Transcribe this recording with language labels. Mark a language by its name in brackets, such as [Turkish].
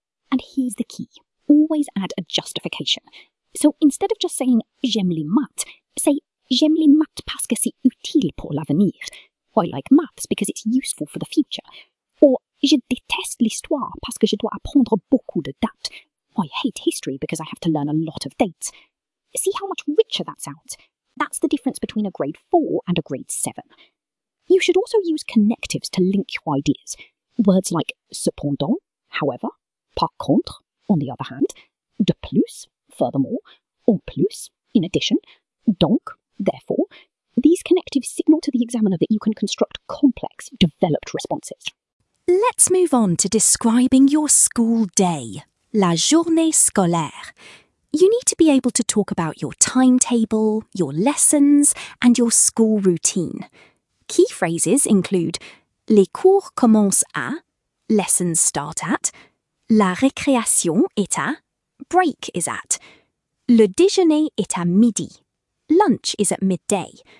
[English] And here's the key, always add a justification. So instead of just saying [French] j'aime les maths, [English] say [French] j'aime les maths parce que c'est utile pour l'avenir. [English] I like maths because it's useful for the future. [French] Or, je déteste l'histoire parce que je dois apprendre beaucoup de dates. [English] I hate history because I have to learn a lot of dates. See how much richer that sounds? That's the difference between a grade 4 and a grade 7. You should also use connectives to link your ideas. Words like [French] cependant, [English] however, [French] par contre, [English] on the other hand, [French] de plus, [English] furthermore, [French] en plus, [English] in addition, [French] donc, [English] therefore. These connectives signal to the examiner that you can construct complex, developed responses. Let's move on to describing your school day, [French] la journée scolaire. [English] You need to be able to talk about your timetable, your lessons, and your school routine. Key phrases include [French] les cours commencent à, [English] lessons start at, [French] la récréation est à, [English] break is at, [French] le déjeuner est à midi, [English] lunch is at midday.